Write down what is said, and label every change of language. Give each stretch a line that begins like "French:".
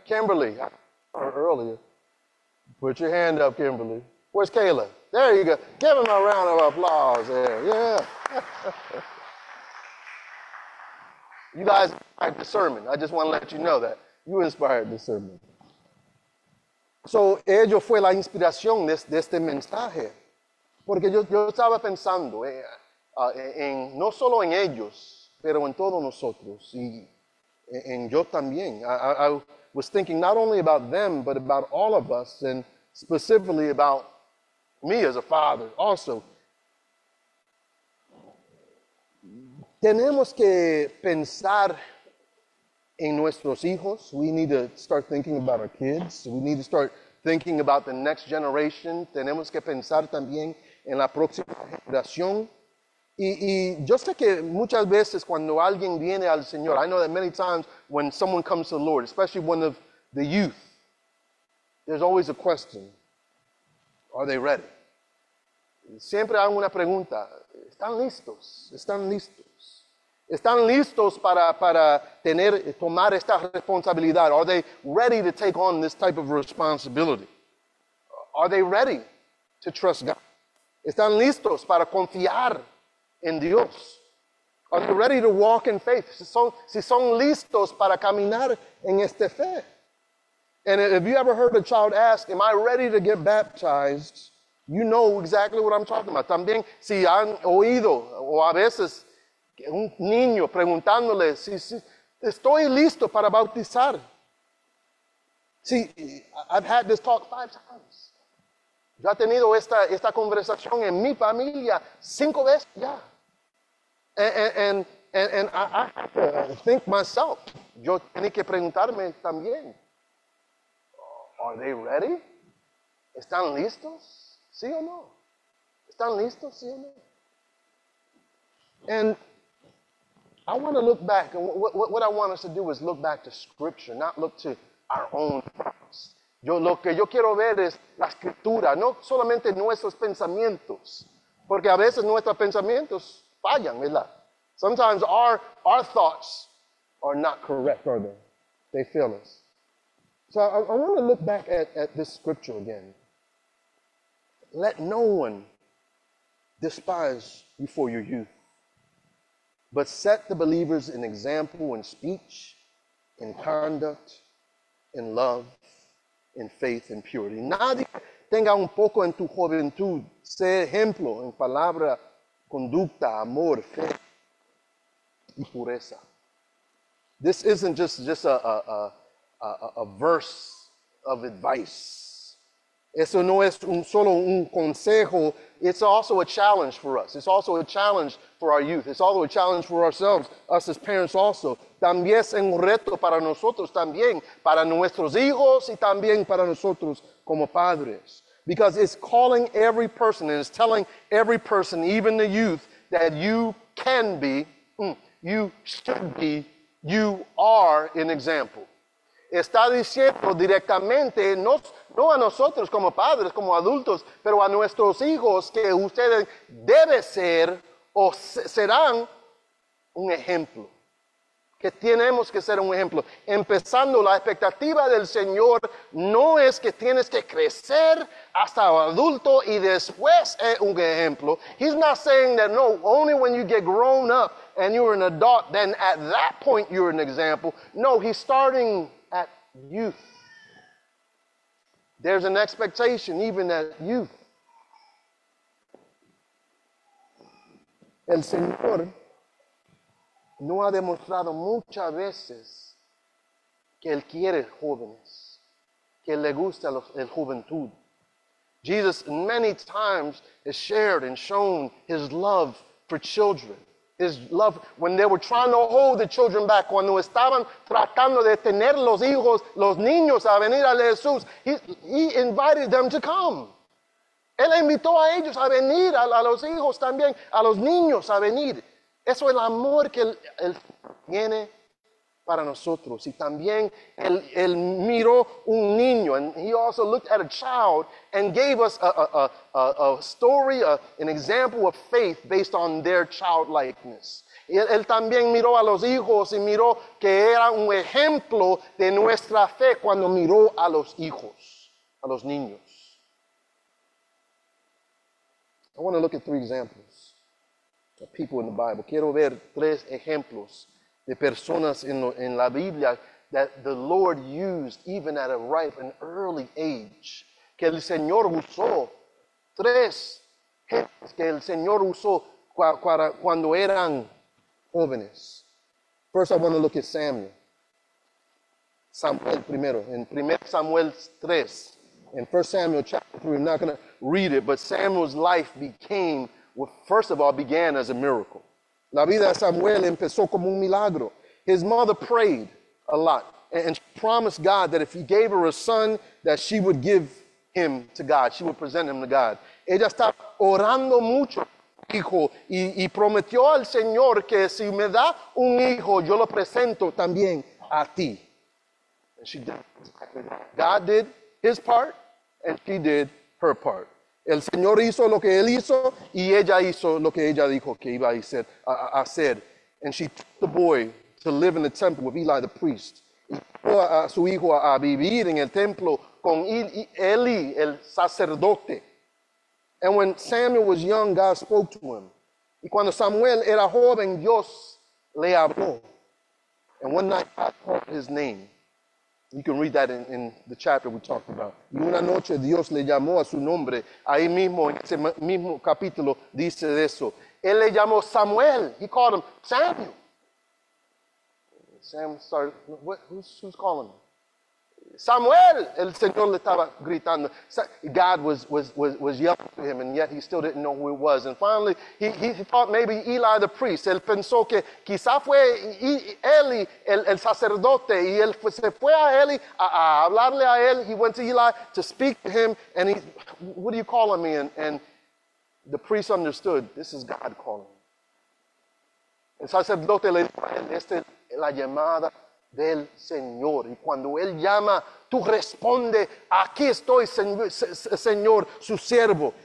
English: Kimberly, earlier. Put your hand up, Kimberly. Where's Kayla? There you go. Give them a round of applause there. Yeah. You guys inspired the sermon. I just want to let you know that. You inspired the sermon.
Spanish: So, ello fue la inspiración de este mensaje. Porque yo estaba pensando en no solo en ellos, pero en todos nosotros, y en yo también.
English: I was thinking not only about them, but about all of us, and specifically about me as a father also.
Spanish: Tenemos que pensar en nuestros hijos.
English: We need to start thinking about our kids. We need to start thinking about the next generation.
Spanish: Tenemos que pensar también en la próxima generación. Y yo sé que muchas veces cuando alguien viene al Señor,
English: I know that many times when someone comes to the Lord, especially one of the youth, there's always a question. Are they ready?
Spanish: Siempre hay una pregunta. ¿Están listos? ¿Están listos? ¿Están listos para tomar esta responsabilidad?
English: Are they ready to take on this type of responsibility? Are they ready to trust God?
Spanish: ¿Están listos para confiar en Dios?
English: Are they ready to walk in faith?
Spanish: Si son listos para caminar en esta fe.
English: And if you ever heard a child ask, am I ready to get baptized? You know exactly what I'm talking about.
Spanish: También si han oído o a veces un niño preguntándole, si estoy listo para bautizar.
English: See, I've had this talk 5 times.
Spanish: Yo he tenido esta conversación en mi familia 5 veces ya.
English: And I think myself,
Spanish: yo tenía que preguntarme también,
English: are they ready?
Spanish: ¿Están listos? ¿Sí o no? ¿Están listos? ¿Sí o no?
English: And I want to look back, and what I want us to do is look back to Scripture, not look to our own thoughts.
Spanish: Yo lo que yo quiero ver es la Escritura, no solamente nuestros pensamientos, porque a veces nuestros pensamientos fallan, ¿verdad?
English: Sometimes our thoughts are not correct, are they? They fail us. So I want to look back at this scripture again. Let no one despise you for your youth, but set the believers an example in speech, in conduct, in love, in faith, in purity.
Spanish: Nadie tenga un poco en tu juventud, sea ejemplo en palabra, conducta, amor, fe.
English: This isn't just a verse of advice.
Spanish: Eso no es solo un consejo.
English: It's also a challenge for us. It's also a challenge for our youth. It's also a challenge for ourselves, us as parents also.
Spanish: También es un reto para nosotros también, para nuestros hijos y también para nosotros como padres.
English: Because it's calling every person and it's telling every person, even the youth, that you can be, you should be, you are an example.
Spanish: Está diciendo directamente, no a nosotros como padres, como adultos, pero a nuestros hijos, que ustedes deben ser o serán un ejemplo. Que tenemos que ser un ejemplo. Empezando, la expectativa del Señor no es que tienes que crecer hasta adulto y después es un ejemplo.
English: He's not saying that, no, only when you get grown up and you're an adult, then at that point you're an example. No, he's starting at youth. There's an expectation even at youth.
Spanish: El Señor no ha demostrado muchas veces que Él quiere jóvenes, que le gusta la juventud.
English: Jesus many times has shared and shown his love for children. His love when they were trying to hold the children back,
Spanish: cuando estaban tratando de tener los hijos, los niños a venir a Jesús,
English: he invited them to come.
Spanish: Él invitó a ellos a venir, a los hijos también, a los niños a venir. Eso es el amor que él tiene para nosotros. Y también él miró un niño,
English: and he also looked at a child and gave us a story, an example of faith based on their childlikeness.
Spanish: Él también miró a los hijos y miró que era un ejemplo de nuestra fe cuando miró a los hijos, a los niños.
English: I want to look at three examples of people in the Bible.
Spanish: Quiero ver tres ejemplos de personas en la Biblia
English: that the Lord used even at a ripe and early age.
Spanish: Que el Señor usó. Tres ejemplos que el Señor usó cuando eran jóvenes.
English: First, I want to look at Samuel.
Spanish: Samuel primero. En 1 Samuel 3.
English: In 1 Samuel chapter 3, I'm not going to read it, but Samuel's life became, well, first of all, began as a miracle.
Spanish: La vida de Samuel empezó como un milagro.
English: His mother prayed a lot and promised God that if he gave her a son, that she would give him to God. She would present him to God.
Spanish: Ella estaba orando mucho, hijo, y prometió al Señor que si me da un hijo, yo lo presento también a ti.
English: And she did. God did his part, and she did her part.
Spanish: El Señor hizo lo que él hizo, y ella hizo lo que ella dijo que iba a hacer.
English: And she took the boy to live in the temple with Eli the priest.
Spanish: Y fue a su hijo a vivir en el templo con Eli, el sacerdote.
English: And when Samuel was young, God spoke to him.
Spanish: Y cuando Samuel era joven, Dios le habló.
English: And one night, God called his name. You can read that in the chapter we talked about.
Spanish: Y una noche Dios le llamó a su nombre. Ahí mismo, en ese mismo capítulo, dice eso. Él le llamó Samuel.
English: He called him Samuel. Sam started, who's calling him? Samuel!
Spanish: El Señor le estaba gritando.
English: God was yelling to him, and yet he still didn't know who it was. And finally, he thought maybe Eli the priest.
Spanish: Él pensó que quizá fue Eli, el sacerdote. Y él se fue a Eli a hablarle a él.
English: He went to Eli to speak to him, and he, what are you calling me? And the priest understood, this is God calling.
Spanish: El sacerdote le dijo, esta es la llamada del Señor. Y cuando él llama, tú responde, aquí estoy, Señor, su siervo.